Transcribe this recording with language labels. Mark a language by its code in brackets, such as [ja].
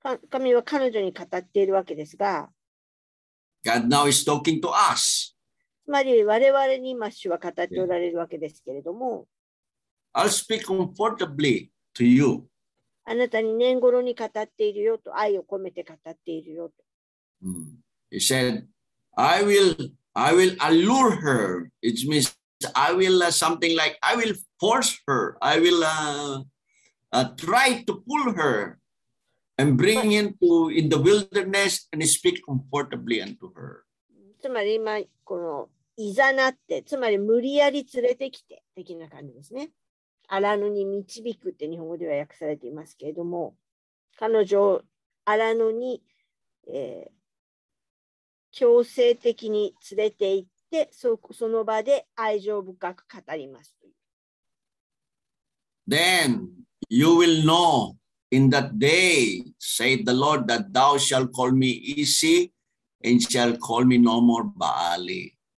[ja] 神は彼女に語っているわけですが、 [en] God now is talking to us. [ja] つまり我々に今主は語っておられるわけですけれども、 [en] I'll speak comfortably to you. [ja] あなたに年頃に語っているよと愛を込めて語っているよと。 [en] He said, I will allure her. It means I will something like I will force her. I will try to pull her. And bring into in the wilderness and speak comfortably unto her. [ja] つまり今このいざなって、つまり無理やり連れてきて的な感じですね。荒野に導くって日本語では訳されていますけれども、彼女を荒野に、強制的に連れて行って、その場で愛情深く語りますという。 [en] Then you will know. In that day, said the Lord, that thou shalt call me Isi and shalt call me no more Baali.